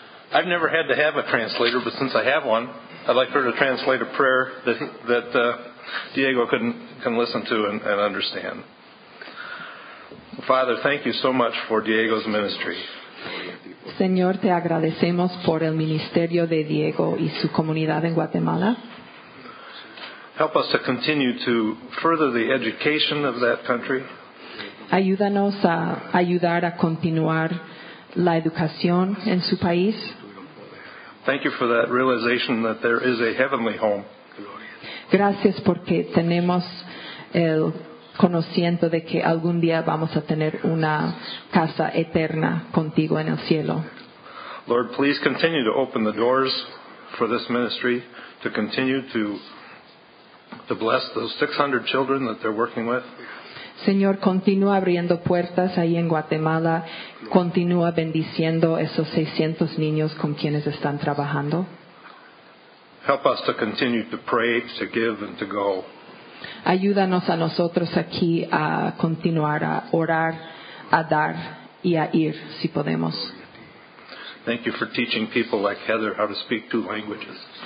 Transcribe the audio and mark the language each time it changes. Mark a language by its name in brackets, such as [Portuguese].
[English] I've never had to have a translator, but since I have one, I'd like for her to translate a prayer that Diego can listen to and understand. Father, thank you so much for Diego's ministry. [Spanish] Señor, te agradecemos por el ministerio de Diego y su comunidad en Guatemala. [English] Help us to continue to further the education of that country. [Spanish] Ayúdanos a ayudar a continuar la educación en su país. [English] Thank you for that realization that there is a heavenly home. [Spanish] Gracias porque tenemos el conocimiento de que algún día vamos a tener una casa eterna contigo en el cielo. [English] Lord, please continue to open the doors for this ministry to continue to bless those 600 children that they're working with. [Spanish] Señor, continúa abriendo puertas ahí en Guatemala. Continúa bendiciendo esos 600 niños con quienes están trabajando. [English] Help us to continue to pray, to give, and to go. [Spanish] Ayúdanos a nosotros aquí a continuar a orar, a dar y a ir, si podemos. [English] Thank you for teaching people like Heather how to speak two languages.